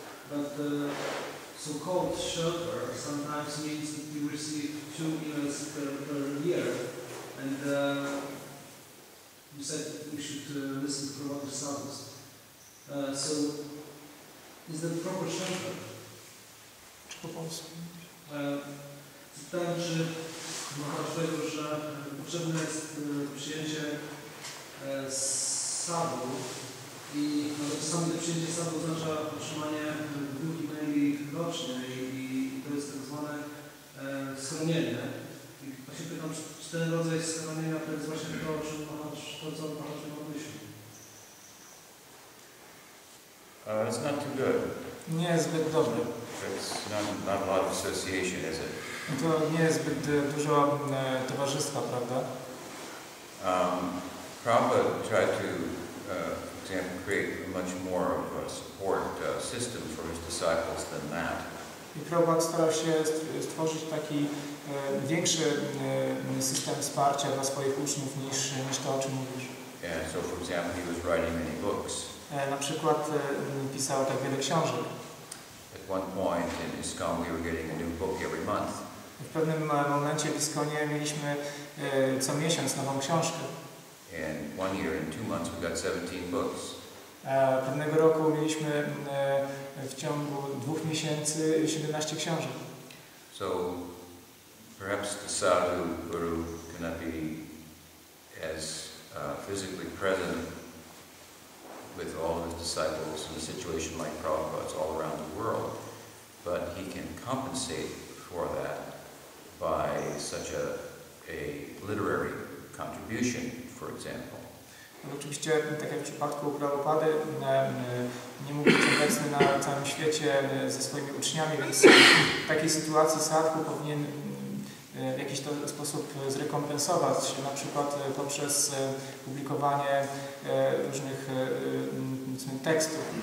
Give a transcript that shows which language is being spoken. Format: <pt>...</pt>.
<en>But the so-called shelter sometimes means that we receive 2 emails per year. And you said we should listen to other sadhus. So is that proper shelter?</en> <pl>Czy po polsku? Zapytałem, czy Maharaj powiedział, że potrzebne jest przyjęcie sadhu i samo przyjęcie sadhu oznacza otrzymanie dwóch e-maili rocznie i to jest tak zwane schronienie. I właśnie pytam, czy ten rodzaj schronienia to jest właśnie to, o czym Maharaj myślał?</pl> <en>It's not too good.</en> <pl>Nie jest zbyt dobry.</pl> <en>It's not a lot of association, is it?</en> <pl>To nie jest zbyt dużo towarzystwa, prawda?</pl> <en>Prabhupada tried to, for example, create much more of a support system for his disciples than that.</en> <pl>I Prabhupada starał się stworzyć taki większy system wsparcia dla swoich uczniów niż to, o czym mówisz.</pl> <en>Yeah, so for example, he was writing many books.</en> <pl>Na przykład pisał tak wiele książek.</pl> <en>At one point in ISKCON we were getting a new book every month.</en> <pl>W pewnym momencie w ISKCONie mieliśmy co miesiąc nową książkę.</pl> <en>And one year in 2 months we got 17 books.</en> <pl>Pewnego roku mieliśmy w ciągu 2 miesięcy 17 książek.</pl> <en>So perhaps the sadhu guru cannot be as physically present with all his disciples in a situation like Prabhupada's all around the world, but he can compensate for that by such a literary contribution, for example.</en> <pl>Oczywiście, tak jak w przypadku Prabhupady, nie mógł być obecny na całym świecie ze swoimi uczniami, więc w takiej sytuacji sadhu powinien w jakiś sposób zrekompensować się, na przykład poprzez publikowanie różnych tekstów.</pl>